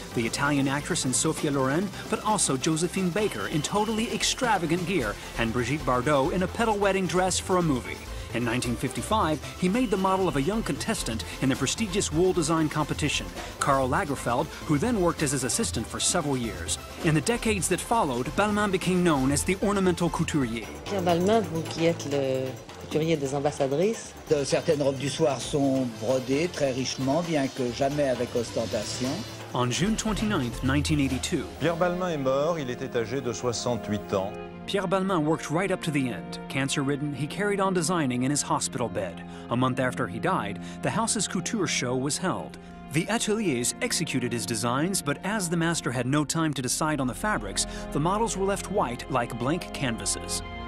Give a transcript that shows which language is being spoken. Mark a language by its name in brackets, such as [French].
[English] The Italian actress and Sophia Loren, but also Josephine Baker in totally extravagant gear and Brigitte Bardot in a petal wedding dress for a movie. In 1955, he made the model of a young contestant in the prestigious wool design competition, Karl Lagerfeld, who then worked as his assistant for several years. In the decades that followed, Balmain became known as the ornamental couturier. [French] Pierre Balmain, vous qui êtes le couturier des ambassadrices. De certaines robes du soir sont brodées très richement, bien que jamais avec ostentation. [English] On June 29, 1982. [French] Pierre Balmain est mort, il était âgé de 68 ans. [English] Pierre Balmain worked right up to the end. Cancer-ridden, he carried on designing in his hospital bed. A month after he died, the house's couture show was held. The ateliers executed his designs, but as the master had no time to decide on the fabrics, the models were left white like blank canvases.